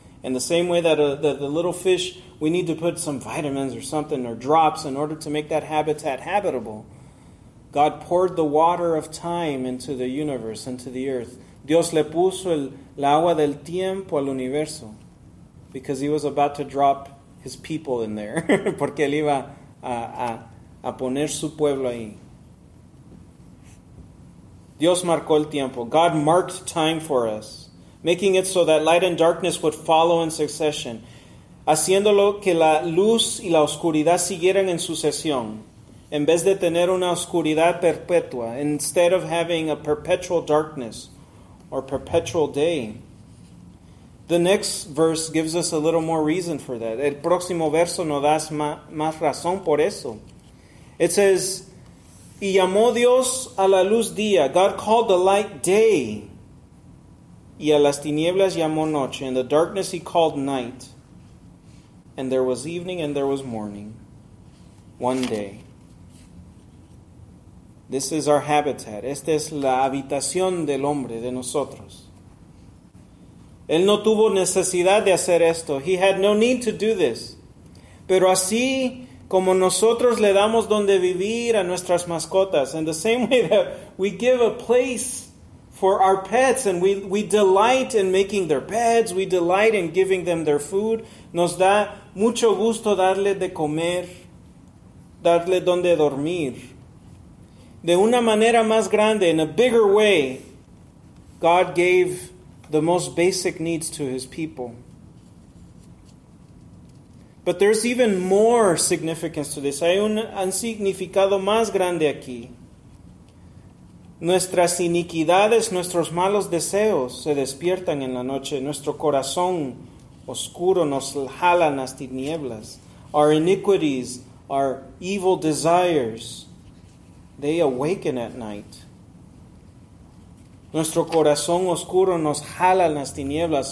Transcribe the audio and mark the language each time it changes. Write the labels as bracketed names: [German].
[English] In the same way that the little fish, we need to put some vitamins or something or drops in order to make that habitat habitable. God poured the water of time into the universe, into the earth. [Spanish] Dios le puso el agua del tiempo al universo. [English] Because he was about to drop his people in there. [Spanish] Porque él iba a poner su pueblo ahí. Dios marcó el tiempo. [English] God marked time for us. Making it so that light and darkness would follow in succession. [Spanish] Haciéndolo que la luz y la oscuridad siguieran en sucesión. En vez de tener una oscuridad perpetua. [English] Instead of having a perpetual darkness or perpetual day. The next verse gives us a little more reason for that. [Spanish] El próximo verso nos da más razón por eso. [English] It says, [Spanish] y llamó Dios a la luz día. [English] God called the light day. [Spanish] Y a las tinieblas llamó noche. [English] And the darkness he called night. And there was evening and there was morning. One day. This is our habitat. [Spanish] Esta es la habitación del hombre, de nosotros. Él no tuvo necesidad de hacer esto. [English] He had no need to do this. [Spanish] Pero así como nosotros le damos donde vivir a nuestras mascotas, [English] in the same way that we give a place for our pets and we delight in making their beds, we delight in giving them their food, [Spanish] nos da mucho gusto darle de comer, darle donde dormir. De una manera más grande, [English] in a bigger way, God gave the most basic needs to his people. But there's even more significance to this. [Spanish] Hay un significado más grande aquí. Nuestras iniquidades, nuestros malos deseos se despiertan en la noche. Nuestro corazón oscuro nos jala las tinieblas. [English] Our iniquities, our evil desires, they awaken at night. [Spanish] Nuestro corazón oscuro nos jala en las tinieblas.